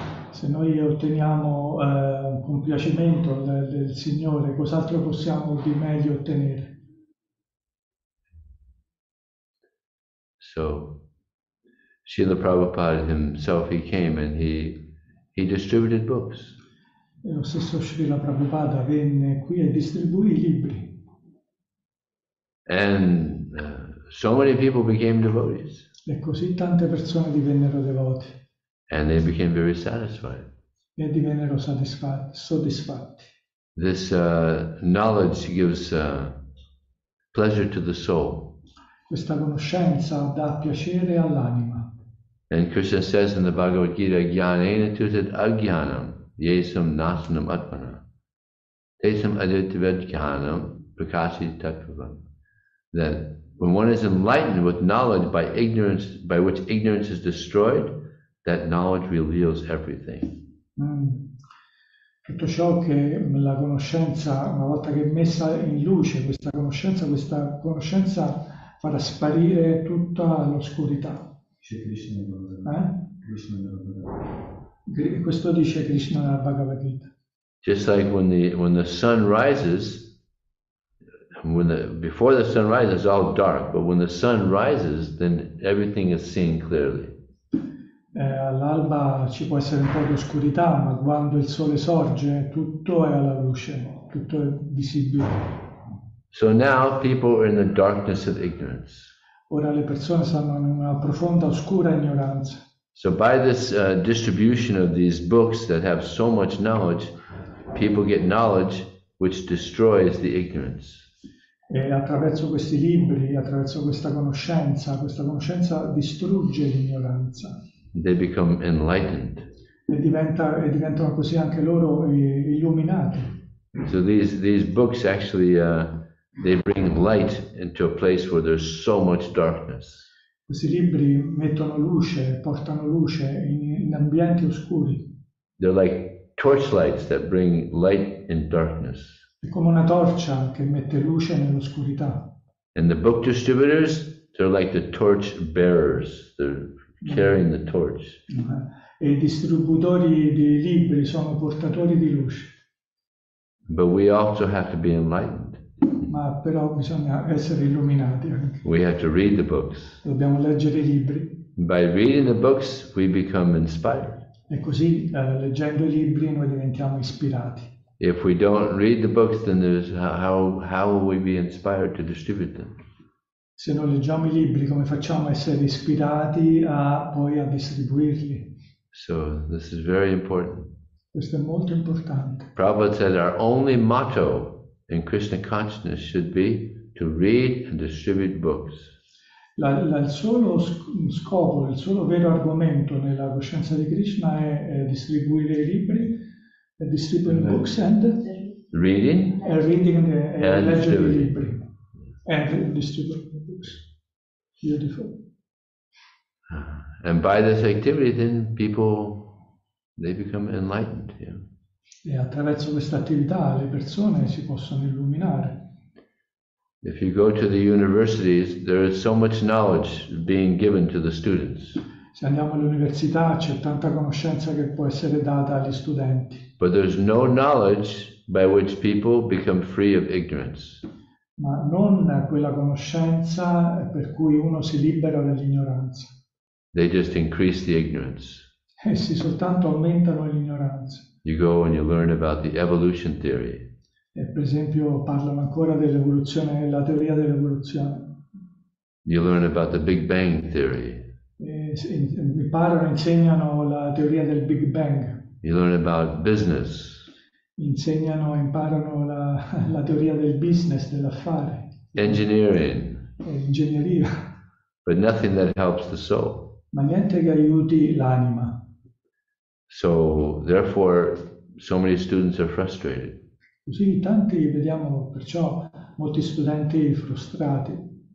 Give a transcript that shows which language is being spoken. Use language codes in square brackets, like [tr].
[it] Se noi otteniamo un compiacimento del Signore, cos'altro possiamo di meglio ottenere? [en] So Srila Prabhupada himself, he came and he distributed books. [it] E lo stesso Srila Prabhupada venne qui e distribuì i libri. [en] And so many people became devotees. [it] E così tante persone divennero devoti. [en] And they became very satisfied. [it] E divennero soddisfatti. [en] This knowledge gives pleasure to the soul. [it] Questa conoscenza dà piacere all'anima. [en] And Krishna says in the Bhagavad Gita, [sa] jnanena tutet ajnanam, yesam nasanam atmana, tesam adityaved jnanam, prakashi tattvam. [en] That when one is enlightened with knowledge by ignorance, by which ignorance is destroyed, that knowledge reveals everything. [it] Tutto ciò che la conoscenza, una volta che è messa in luce, questa conoscenza farà sparire tutta l'oscurità. Dice Krishna nella Bhagavad Gita. Questo dice Krishna nella Bhagavad Gita. [en] Just like when the sun rises, when the before the sun rises, it's all dark. But when the sun rises, then everything is seen clearly. [it] All'alba ci può essere un po' di oscurità, ma quando il sole sorge, tutto è alla luce, tutto è visibile. [en] So now people are in the darkness of ignorance. [it] Ora le persone stanno in una profonda oscura ignoranza. [en] So by this distribution of these books that have so much knowledge, people get knowledge which destroys the ignorance. [it] E attraverso questi libri, attraverso questa conoscenza distrugge l'ignoranza. [en] They become enlightened. [it] E diventano così anche loro illuminati. [en] So these books actually they bring light into a place where there's so much darkness. [it] Questi libri mettono luce, portano luce in ambienti oscuri. [en] They're like torchlights that bring light in darkness. [it] È come una torcia che mette luce nell'oscurità. [en] And the book distributors, they're like the torch bearers. They're carrying the torch. [it] E i distributori di libri sono portatori di luce. [en] But we also have to be enlightened. [it] Ma però bisogna essere illuminati anche. [en] We have to read the books. [it] Dobbiamo leggere i libri. [en] By reading the books, we become inspired. [it] E così, leggendo i libri, noi diventiamo ispirati. [en] If we don't read the books, then there's how will we be inspired to distribute them? [it] Se non leggiamo i libri, come facciamo a essere ispirati a poi a distribuirli? [en] So this is very important. [it] Questo è molto importante. [en] Prabhupada said our only motto in Krishna consciousness should be to read and distribute books. [it] Il solo scopo, il solo vero argomento nella coscienza di Krishna è distribuire i libri, è distribuire mm-hmm. [en] books and reading, [it] è [en] reading [it] e leggere i libri. [en] And distribute books. Beautiful. And by this activity then people they become enlightened, yeah. [it] E attraverso questa attività le persone si possono illuminare. [en] If you go to the universities, there is so much knowledge being given to the students. [it] Se andiamo all'università c'è tanta conoscenza che può essere data agli studenti. [en] But there's no knowledge by which people become free of ignorance. [it] Ma non quella conoscenza per cui uno si libera dall'ignoranza. [en] They just increase the ignorance. [it] Essi soltanto aumentano l'ignoranza. [en] You go and you learn about the evolution theory. [it] E per esempio parlano ancora dell'evoluzione, la teoria dell'evoluzione. [en] You learn about the Big Bang theory. [it] Imparano, insegnano la teoria del Big Bang. [en] You learn about business. [it] Insegnano, imparano la teoria del business, dell'affare. [en] Engineering. [it] Ingegneria. [en] But nothing that helps the soul. [it] Ma niente che aiuti l'anima. [en] So therefore so many students are frustrated. [it] Così tanti vediamo perciò molti studenti frustrati.